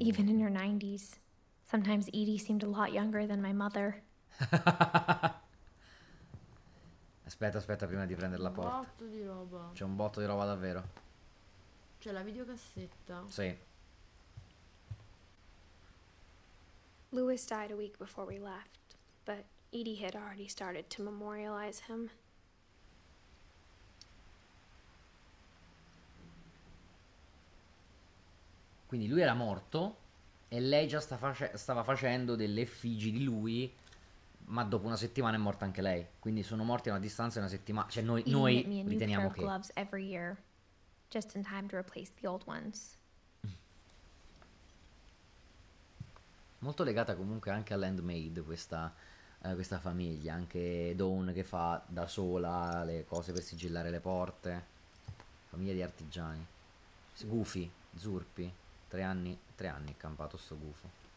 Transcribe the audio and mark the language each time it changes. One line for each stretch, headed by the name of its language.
English: Even in her 90s, sometimes Edie seemed a lot younger than my mother.
Italian: Aspetta, prima di prendere la porta. Un botto di roba. C'è un botto di roba davvero. C'è la videocassetta. Sì.
English: Louis died a week before we left, but Edie had already started to memorialize him.
Italian: Quindi lui era morto e lei già stava facendo delle effigi di lui, ma dopo una settimana è morta anche lei. Quindi sono morti a una distanza di una settimana. Cioè noi riteniamo che...
English: gloves every year, just in time to replace the old ones.
Italian: Molto legata comunque anche a Landmade questa famiglia, anche Dawn che fa da sola le cose per sigillare le porte. Famiglia di artigiani. Goofy, Zurpi. Tre anni è campato sto gufo.